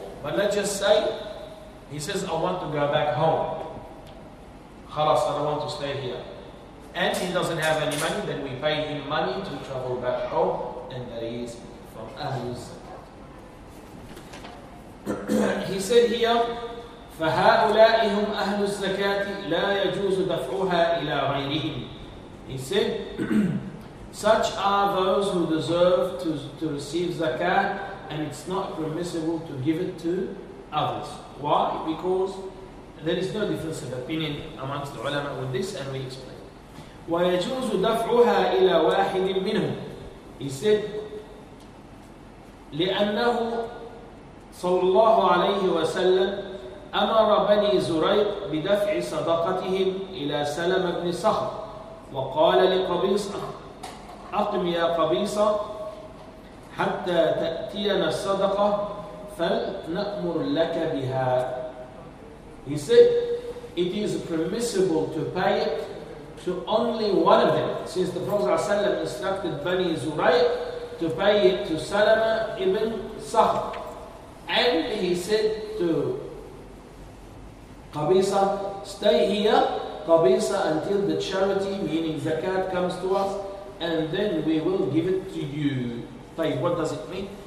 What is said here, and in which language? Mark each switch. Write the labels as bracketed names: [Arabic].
[English] But let's just say, he says, I want to go back home. Khalas, I don't want to stay here. And he doesn't have any money, then we pay him money to travel back home, and that is from Ahlul Zakat. He said here, [Arabic] فَهَٰؤُلَاءِ هُمْ أَهْلُ الزَّكَاةِ لَا يَجُوزُ دَفْعُهَا إِلَىٰ غَيْرِهِمْ. [English] He said, such are those who deserve to receive zakat, and it's not permissible to give it to others. Why? Because there is no difference of opinion amongst the ulama with this, and we explain. [Arabic] وَيَجُوزُ دَفْعُهَا إِلَىٰ وَاحِدٍ مِّنْهُمْ. [English] He said, [Arabic] لِأَنَّهُ صَلَّى اللَّهُ عَلَيْهِ وَسَلَّمْ أمر بني زريق بدفع صدقتهم إلى سلم بن صخر وقال لقبيصة, أقم يا قبيصة حتى تأتينا الصدقة فلنأمر لك بها. [English] He said, it is permissible to pay it to only one of them, since the Prophet ﷺ instructed Bani Zurayh to pay it to Salama ibn Sahr. And he said to Qabisa, stay here, Qabisa, until the charity, meaning zakat, comes to us, and then we will give it to you. What does it mean?